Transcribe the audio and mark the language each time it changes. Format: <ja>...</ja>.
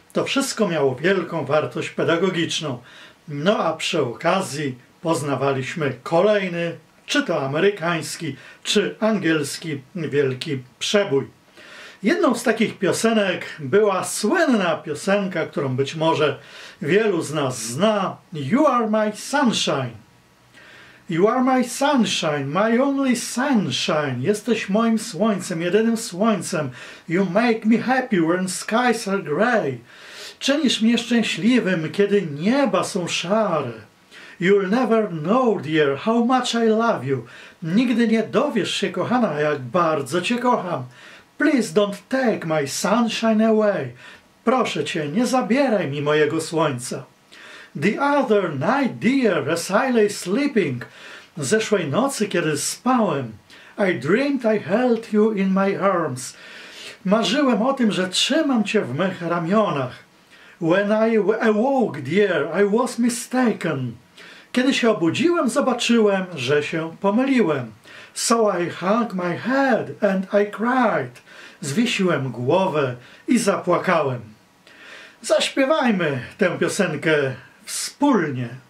<pl>To wszystko miało wielką wartość pedagogiczną. No a przy okazji poznawaliśmy kolejny, czy to amerykański, czy angielski wielki przebój. Jedną z takich piosenek była słynna piosenka, którą być może wielu z nas zna, You Are My Sunshine.</pl> <en>You are my sunshine, my only sunshine.</en> <pl>Jesteś moim słońcem, jedynym słońcem.</pl> <en>You make me happy when skies are grey.</en> <pl>Czynisz mnie szczęśliwym, kiedy nieba są szare.</pl> <en>You'll never know, dear, how much I love you.</en> <pl>Nigdy nie dowiesz się, kochana, jak bardzo cię kocham.</pl> <en>Please don't take my sunshine away.</en> <pl>Proszę cię, nie zabieraj mi mojego słońca.</pl> <en>The other night, dear, as I lay sleeping,</en> <pl>zeszłej nocy, kiedy spałem,</pl> <en>I dreamed I held you in my arms.</en> <pl>Marzyłem o tym, że trzymam cię w mych ramionach.</pl> <en>When I awoke, dear, I was mistaken.</en> <pl>Kiedy się obudziłem, zobaczyłem, że się pomyliłem.</pl> <en>So I hung my head and I cried.</en> <pl>Zwiesiłem głowę i zapłakałem. Zaśpiewajmy tę piosenkę wspólnie.</pl>